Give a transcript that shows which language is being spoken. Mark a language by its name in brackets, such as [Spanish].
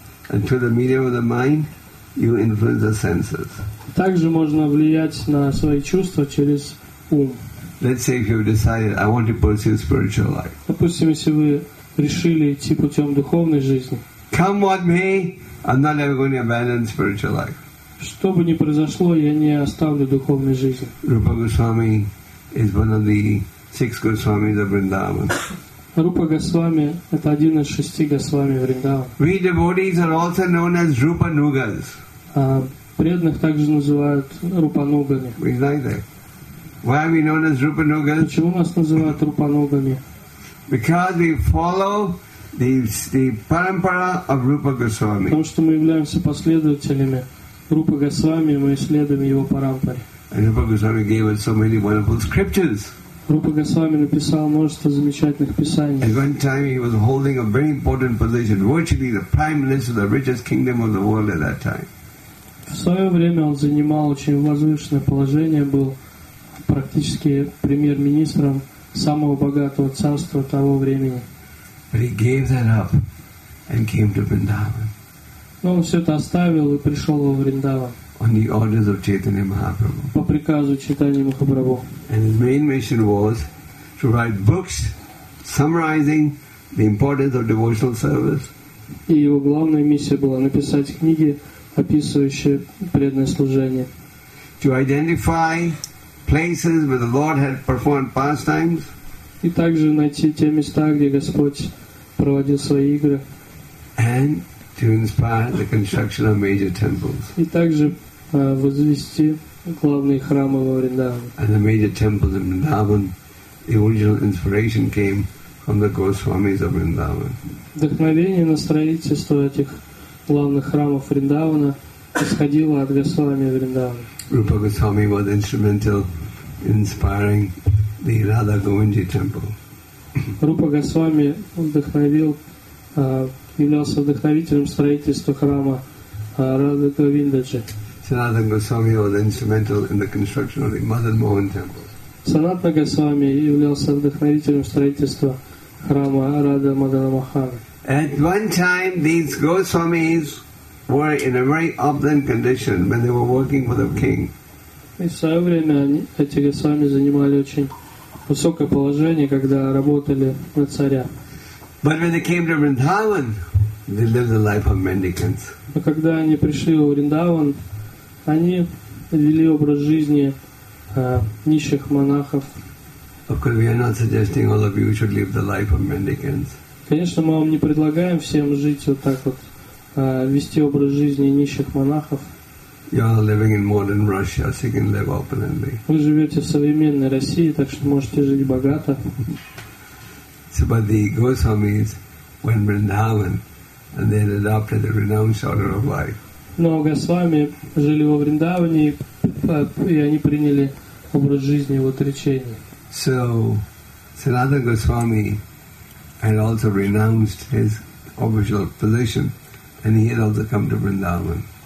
[English] And through the medium of the mind, you influence the senses. [Russian] Также можно влиять на свои чувства через ум. [English] Let's say if you decided, I want to pursue spiritual life. [Russian] Допустим, если вы решили идти путем духовной жизни. [English] Come what may, I'm not ever going to abandon spiritual life. [Russian] Что бы ни произошло, я не оставлю духовной жизни. [English] Rupa Goswami is one of the six Goswamis of Vrindavan. [Russian] Rupa Goswami – это один из шести Госвами Вриндавана. [English] We devotees are also known as Rupa Nugas. [Russian] Преданных также называют Рупанугами. [English] We like that. Why are we known as Rupa Nugas? [Russian] Почему нас называют Рупанугами? [English] Because we follow the parampara of Rupa Goswami. [Russian] Потому что мы являемся последователями Rupa Goswami, мы исследуем его парампаре. [English] And Rupa Goswami gave us so many wonderful scriptures. [Russian] Rupa Goswami написал множество замечательных писаний. [English] At one time he was holding a very important position, virtually the prime minister of the richest kingdom of the world at that time. [Russian] В свое время он занимал очень возвышенное положение, был практически премьер-министром самого богатого царства того времени. [English] But he gave that up and came to Vrindavan. [Russian] Но он все это оставил и пришел во Вриндаван. [English] On the orders of Chaitanya Mahaprabhu. [Russian] По приказу Чайтаньи Махапрабху. [English] And his main mission was to write books summarizing the importance of devotional service. [Russian] И его главная миссия была написать книги, описывающие преданное служение. [English] To identify places where the Lord had performed pastimes. [Russian] И также найти те места, где Господь проводил свои игры. [English] And to inspire the construction of major temples. [Russian] И также возвести главные храмы во Вриндаване. [English] And the major temples in Vrindavan, the original inspiration came from the Goswamis of Vrindavan. [Russian] Вдохновение на строительство этих главных храмов Вриндавана исходило от Госвами Вриндавана. [English] Rupa Goswami was instrumental in inspiring the Radha Govindi temple. [Russian] Rupa Goswami вдохновил, являлся вдохновителем строительства храма Радха Говиндаджи. [English] Sanatana Goswami was instrumental in the construction of the Madan Mohan temple. [Russian] Sanatana Goswami являлся вдохновителем строительства храма Радха Мадана Махана. [English] At one time, these Goswamis were in a very opulent condition when they were working for the king. [Russian] И в свое время эти Госвами занимали очень высокое положение, когда работали на царя. [English] But when they came to Vrindavan, they lived the life of mendicants. [Russian] Но когда они пришли в Вриндаван, они вели образ жизни нищих монахов. [English] Of course, we are not suggesting all of you should live the life of mendicants. [Russian] Конечно, мы вам не предлагаем всем жить вот так вот, вести образ жизни нищих монахов. [English] You are living in modern Russia, so you can live opulently. [Russian] Вы живете в современной России, так что можете жить богато. [English] So, but the Goswamis went to Vrindavan and they adopted the renounced order of life. [Russian] Но Госвами жили во Вриндаване, и они приняли образ жизни, вот речение. [English] So, Sanatana Goswami had also renounced his official position, and he had also come to Vrindavan.